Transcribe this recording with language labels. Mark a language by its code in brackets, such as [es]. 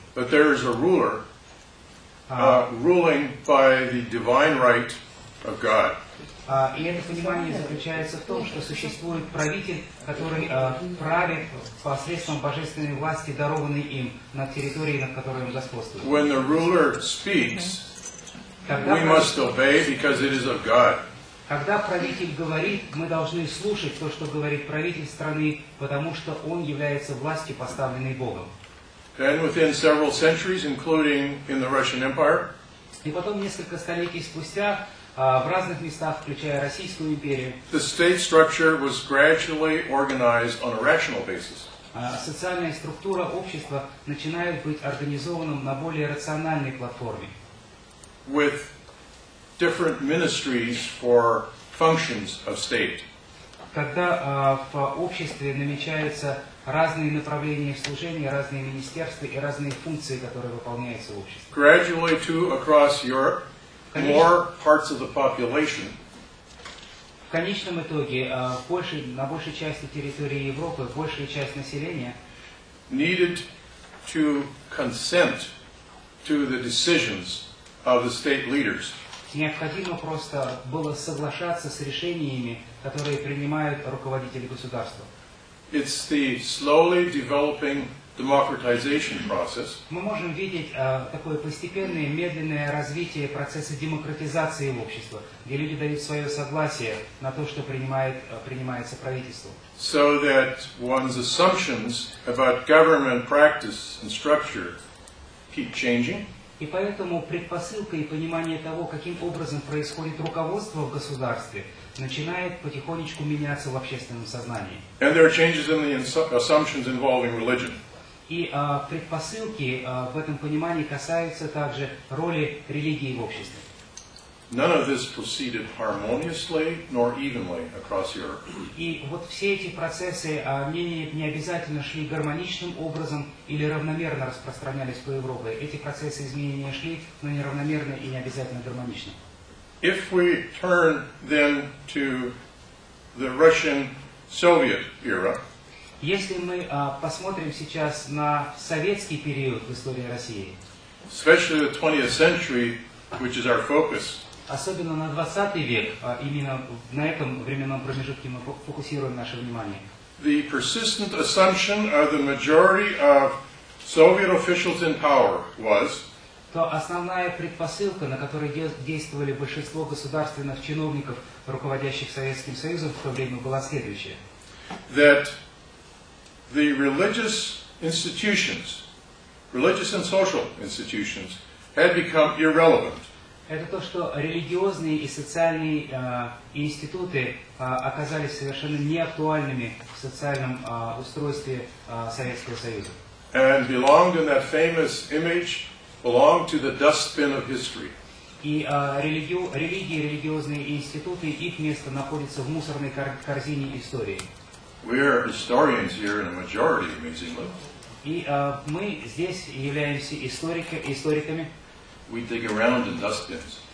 [en] But there is a ruler. Ruling by the divine right of God. [ru] И это понимание заключается в том, что существует правитель, который правит посредством божественной власти, дарованной им на территории, над которой он господствует. [en] When the ruler speaks, we must obey because it is of God. [ru] Когда правитель говорит, мы должны слушать то, что говорит правитель страны, потому что он является властью, поставленной Богом. [en] And within several centuries, including in the Russian Empire. [ru] И потом несколько столетий спустя, в разных местах, включая Российскую империю. [en] The state structure was gradually organized on a rational basis. [ru] Социальная структура общества начинает быть организованным на более рациональной платформе. [en] With different ministries for functions of state. [ru] Когда в обществе намечаются разные направления служения, разные министерства и разные функции, которые выполняются в обществе. [en] Gradually too across Europe, more parts of the population. [ru] В конечном итоге, на большей части территории Европы, большая часть населения [en] needed to consent to the decisions of the state leaders. [ru] Необходимо просто было соглашаться с решениями, которые принимают руководители государства. [en] It's the slowly developing democratization process. [ru] Мы можем видеть такое постепенное, медленное развитие процесса демократизации в обществе, где люди дают свое согласие на то, что принимается правительство. [en] So that one's assumptions about government practice and structure keep changing. [ru] И поэтому предпосылка и понимание того, каким образом происходит руководство в государстве, начинает потихонечку меняться в общественном сознании. [en] And there are changes in the assumptions involving religion. [ru] И предпосылки в этом понимании касаются также роли религии в обществе. [en] None of this proceeded harmoniously nor evenly across Europe. [ru] И вот все эти процессы не обязательно шли гармоничным образом или равномерно распространялись по Европе. Эти процессы изменения шли, но не равномерно и не обязательно гармонично. [en] If we turn then to the Russian Soviet era. [ru] Если мы посмотрим сейчас на советский период в истории России, [en] especially the 20th century, which is our focus, [ru] особенно на 20 век, именно на этом временном промежутке мы фокусируем наше внимание, [en] the persistent assumption of the majority of Soviet officials in power was, [ru] то основная предпосылка, на которой действовали большинство государственных чиновников, руководящих Советским Союзом в то время, была следующая. [en] That the religious institutions, religious and social institutions, had become irrelevant. [ru] Это то, что религиозные и социальные институты оказались совершенно неактуальными в социальном устройстве Советского Союза. [en] And belonged in that famous image, belonged to the dustbin of history. [ru] И религии, религиозные институты, их место находится в мусорной корзине истории. [en] We are historians here in a majority, amazingly. [ru] И мы здесь являемся историками. [en] We dig around in dustbins.